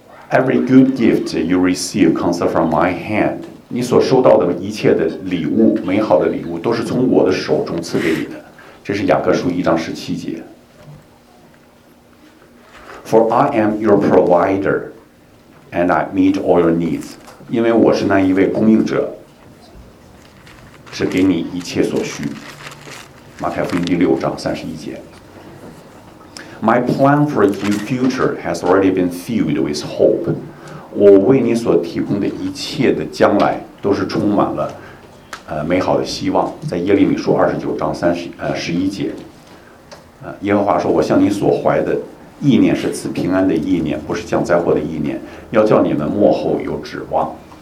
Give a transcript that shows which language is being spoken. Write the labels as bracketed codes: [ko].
[en] Every good gift you receive comes from my hand。 [zh] 你所收到的一切的礼物，美好的礼物，都是从我的手中赐给你的。这是雅各书一章十七节。 [en] For I am your provider and I meet all your needs。 [zh] 因为我是那一位供应者，是给你一切所需。马太福音第六章三十一节， [en] My plan for your future has already been filled with hope。 [zh] 我为你所提供的一切的将来都是充满了美好的希望。在耶利米书二十九章十一节，耶和华说，我向你所怀的意念是赐平安的意念，不是降灾祸的意念，要叫你们末后有指望。